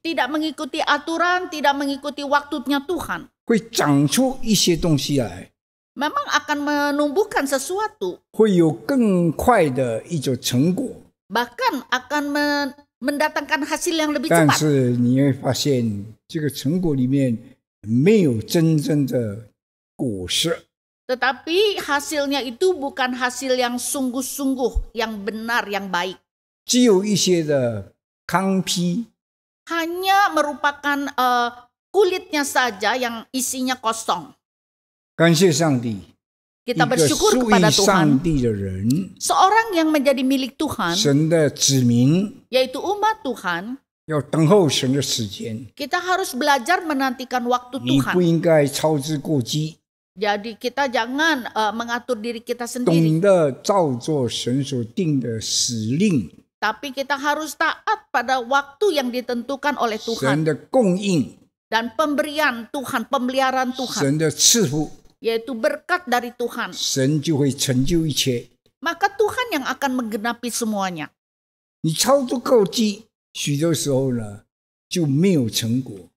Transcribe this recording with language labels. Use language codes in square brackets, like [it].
[id] tidak mengikuti aturan, tidak mengikuti waktunya Tuhan, [zh] 会长出一些东西来, [id] memang akan menumbuhkan sesuatu, [zh] 会有更快的一种成果, [id] bahkan akan mendatangkan hasil yang lebih cepat. [zh] 但是你会发现这个成果里面没有真正的果实, [id] tetapi hasilnya itu bukan hasil yang sungguh-sungguh, yang benar, yang baik. [zh] 只有一些的糠皮, [id] hanya merupakan kulitnya saja yang isinya kosong. [zh] 感谢上帝, [id] kita bersyukur kepada Tuhan, seorang yang menjadi milik Tuhan, [zh] 神的子民, [id] yaitu umat Tuhan, [zh] 要等候神的时间, [id] kita harus belajar menantikan waktu Tuhan. [zh] 你不应该操之过急, [id] jadi kita jangan mengatur diri kita sendiri, [zh] 懂得照做神所定的使令, [id] tapi kita harus taat pada waktu yang ditentukan oleh Tuhan, [zh] 神的供应, [id] dan pemberian Tuhan, pemeliharaan Tuhan, [zh] 神的赐福, [id] yaitu berkat dari Tuhan. [zh] 神就会成就一切, [id] maka Tuhan yang akan menggenapi semuanya. [zh] 你操作够急, 许多时候呢, 就没有成果.